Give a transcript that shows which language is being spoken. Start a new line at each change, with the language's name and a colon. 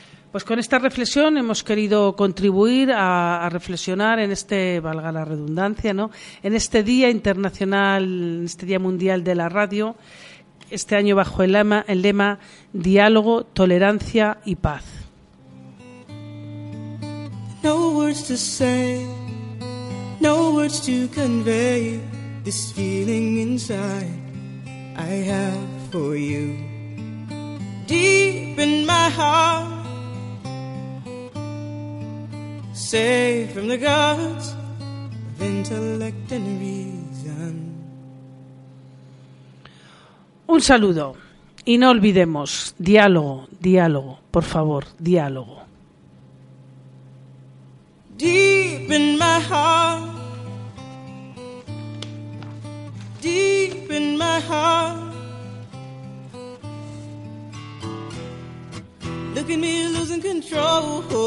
Spanish: Pues con esta reflexión hemos querido contribuir a reflexionar en este, valga la redundancia, ¿no?, en este Día Internacional, en este Día Mundial de la Radio, este año bajo el lema Diálogo, Tolerancia y Paz.
English: No words to say, no words to convey this feeling inside I have for you. Deep in my heart, safe from the gods of intellect and reason.
Spanish: Un saludo, y no olvidemos, diálogo, diálogo, por favor, diálogo.
English: Deep in my heart, deep in my heart, look at me losing control.